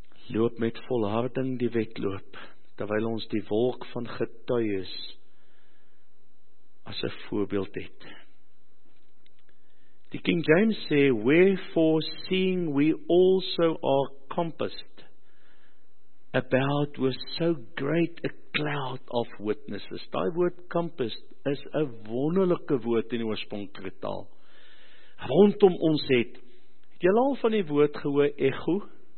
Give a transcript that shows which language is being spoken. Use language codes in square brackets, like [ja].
[af] Loop met volharding die wedloop, terwyl ons die wolk van getuies as 'n voorbeeld het. Die King James sê, [en] wherefore seeing we also are compassed about with so great a cloud of witnesses. [af] Die woord compassed is 'n wonderlike woord in die oorspronklike taal. Rondom ons het julle al van die woord gehoor echo?